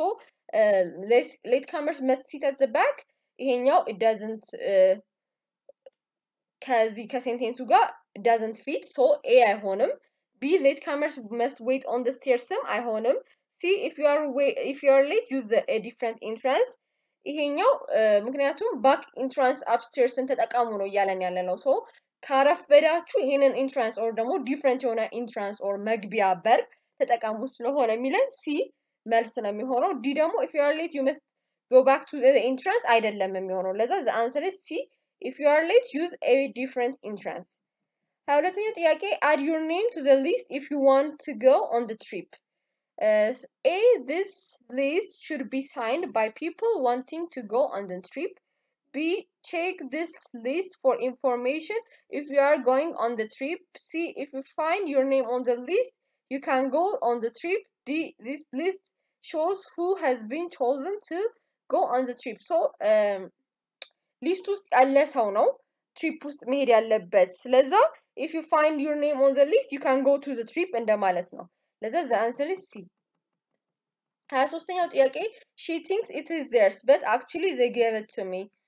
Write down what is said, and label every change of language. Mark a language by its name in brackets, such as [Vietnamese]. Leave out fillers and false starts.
[English] So late comers must sit at the back. [Amharic] ይሄኛው [English] it doesn't [Amharic] ከዚህ ከሴንቴንሱ ጋር [English] doesn't fit. [Amharic] So A አይሆንም. [English] B late comers must wait on the stairs [Amharic] አይሆንም. [English] C if you are late use a different entrance. [Amharic] ይሄኛው ምክንያቱም [English] back entrance upstairs [Amharic] ተጠቀሙ ነው እያለን ያለነው. So ካረፍ በዳቹ ይሄንን entrance or ደግሞ different የሆነ entrance or መግቢያ በር ተጠቀሙ ስለሆነ የሚለን C መልስ ነው የሚሆነው. [English] D [Amharic] ደግሞ [English] if you are late you must go back to the entrance [Amharic] አይደለም የሚሆነው. ለዛ [English] the answer is C if you are late use a different entrance. [Amharic] ሁለተኛው ጥያቄ [English] add your name to the list if you want to go on the trip. A this list should be signed by people wanting to go on the trip. B check this list for information if you are going on the trip. C if you find your name on the list you can go on the trip. D this list shows who has been chosen to go on the trip. [Amharic] So list ውስጥ ያለ ሰው ነው trip ውስጥ መሄድ ያለበት. ስለዚህ [English] if you find your name on the list you can go to the trip [Amharic] እንደማለት ነው. ለዛ [English] the answer is C. [Amharic] 23ኛው ጥያቄ [English] she thinks it is theirs but actually they gave it to me.